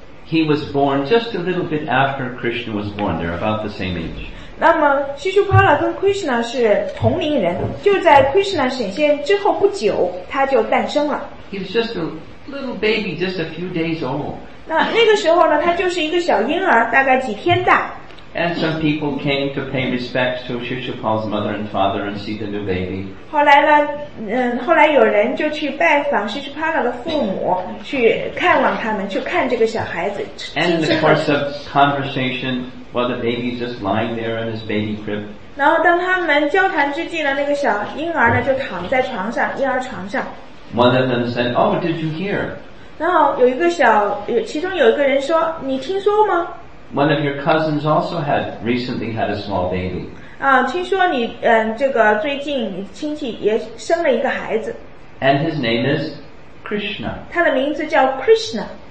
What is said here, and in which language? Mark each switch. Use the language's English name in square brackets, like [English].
[English] He was born just a little bit after Krishna was born. They're about the same age. [Chinese] 那么 Shishupala 跟 Krishna 是同龄人，就在 Krishna 显现之后不久，他就诞生了。 [English] He was just a little baby, just a few days old. [Chinese] 那个时候呢，他就是一个小婴儿，大概几天大。 [English] And some people came to pay respects to Shishupal's mother and father and see the new baby. [Chinese] 后来有人就去拜访 Shishupala 的父母，去看望他们，去看这个小孩子。 [English] And in the course of conversation, while the baby's just lying there in his baby crib. [Chinese] 然后当他们交谈之际呢，那个小婴儿呢就躺在床上，婴儿床上。 [English] One of them said, "Oh, did you hear?" [Chinese] 然后有一个小，其中有一个人说，你听说吗？ [English] One of your cousins also had recently had a small baby. [Chinese] 啊，听说你这个最近亲戚也生了一个孩子。 [English] And his name is Krishna. [Chinese] 他的名字叫 Krishna.